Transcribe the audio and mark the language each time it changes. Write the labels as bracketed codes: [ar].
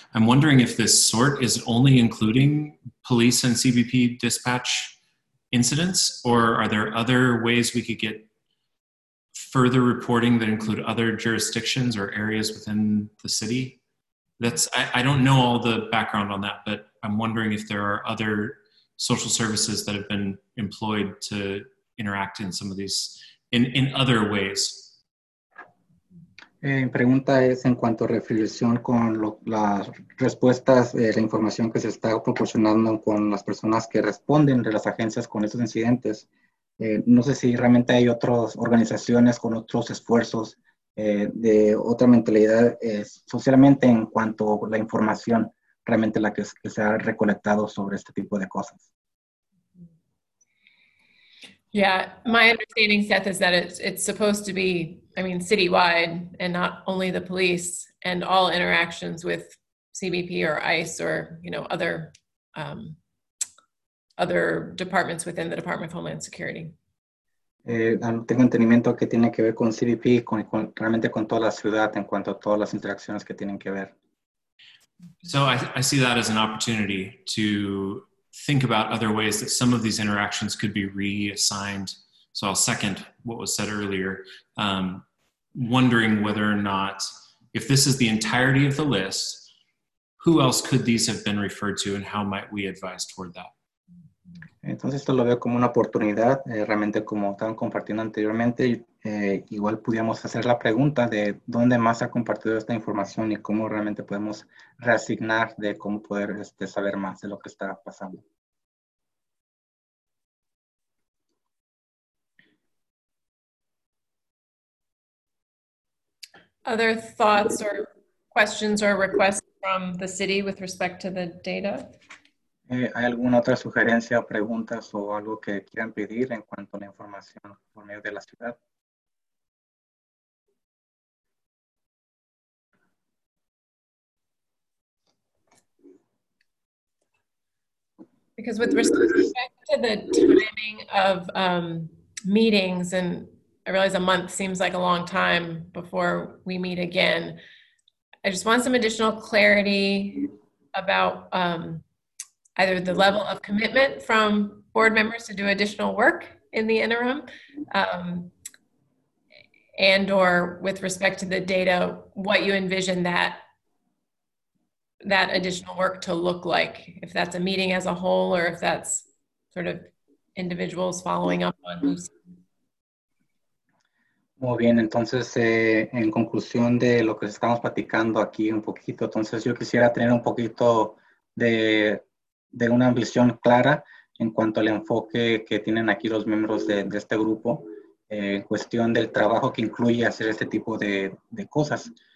[en] I'm wondering if this sort is only including police and CBP dispatch incidents, or are there other ways we could get further reporting that include other jurisdictions or areas within the city? I don't know all the background on that, but I'm wondering if there are other social services that have been employed to interact in some of these, in other ways. [es] Pregunta es en cuanto a reflexión con las respuestas, la información que se está proporcionando con las personas que responden de las agencias con estos incidentes. No sé si realmente hay otras organizaciones con otros esfuerzos de otra mentalidad socialmente en cuanto a la información realmente la que se ha recolectado sobre este tipo de cosas. [en] Yeah, my understanding, Seth, is that it's supposed to be, I mean, citywide and not only the police and all interactions with CBP or ICE or, you know, other departments within the Department of Homeland Security. [es] Tengo entendimiento que tiene que ver con CBP, realmente con toda la ciudad en cuanto a todas las interacciones que tienen que ver. [en] So I see that as an opportunity to think about other ways that some of these interactions could be reassigned. So I'll second what was said earlier, wondering whether or not, if this is the entirety of the list, who else could these have been referred to and how might we advise toward that? [es] Entonces esto lo veo como una oportunidad, realmente como estaban compartiendo anteriormente, igual pudiéramos hacer la pregunta de dónde más ha compartido esta información y cómo realmente podemos reasignar de cómo poder saber más de lo que está pasando. [en] Other thoughts or questions or requests from the city with respect to the data? [es] ¿Hay alguna otra sugerencia, preguntas o algo que quieran pedir en cuanto a la información por medio de la ciudad? [en] Because with respect to the timing of meetings, and I realize a month seems like a long time before we meet again, I just want some additional clarity about either the level of commitment from board members to do additional work in the interim, and or with respect to the data, what you envision that additional work to look like, if that's a meeting as a whole or if that's sort of individuals following up on Lucy. [es] Muy bien, entonces en conclusión de lo que estamos platicando aquí un poquito, entonces yo quisiera tener un poquito de una visión clara en cuanto al enfoque que tienen aquí los miembros de este grupo, en cuestión del trabajo que incluye hacer este tipo de cosas.